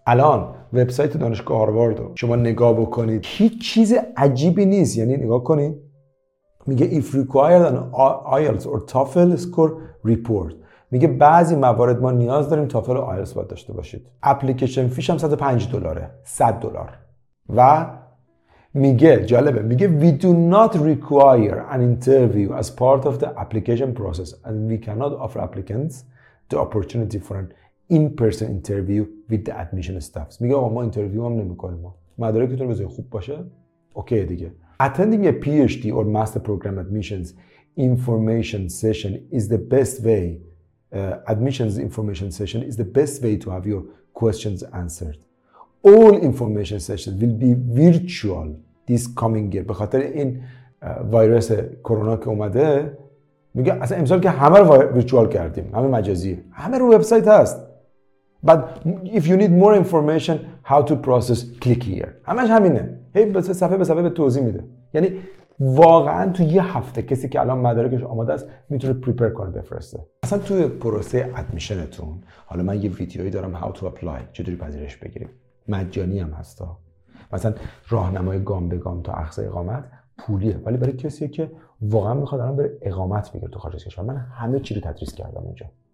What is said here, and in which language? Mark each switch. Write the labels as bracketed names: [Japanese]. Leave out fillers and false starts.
[Persian] الان وبسایت دانشگاه هاروارد رو شما نگاه بکنید، هیچ چیز عجیبی نیست. یعنی نگاه کنید، میگه [English] if required an IELTS or TOEFL score report، [Persian] میگه بعضی موارد ما نیاز داریم TOEFL و IELTS باید داشته باشید. اپلیکیشن فیش هم $105، $100. و میگه جالبه، میگه [English] we do not require an interview as part of the application process and we cannot offer applicants the opportunity for an in-person interview with the admission staffs. [Persian] میگه آقا ما اینترویو هم نمی‌کنیم، مدارکتون بذارید خوب باشه اوکی دیگه. [English] Attending a PhD or master program admissions information session is the best way admissions information session is the best way to have your questions answered. All information sessions will be virtual this coming year. [Persian] به خاطر این ویروس کرونا که اومده، میگه اصلا امسال که همه رو ویرچوال کردیم، همه مجازی، همه رو وبسایت هست. [English] But if you need more information how to process click here. [Persian] همش همینه، هی صفحه به صفحه به توضیح میده. یعنی واقعا تو یه هفته کسی که الان مدارکش آماده است میتونه پریپر کنه بفرسته. اصلا توی پروسه ادمیشنتون، حالا من یه ویدیویی دارم [English] how to apply، [Persian] چطوری پذیرش بگیریم، مجانی هم هستا، مثلا راهنمای گام به گام تا اخذ اقامت پولیه، ولی برای کسی که واقعا میخواد الان بره اقامت بگیره تو خارج از کشور، من همه چی رو تدریس کردم اونجا.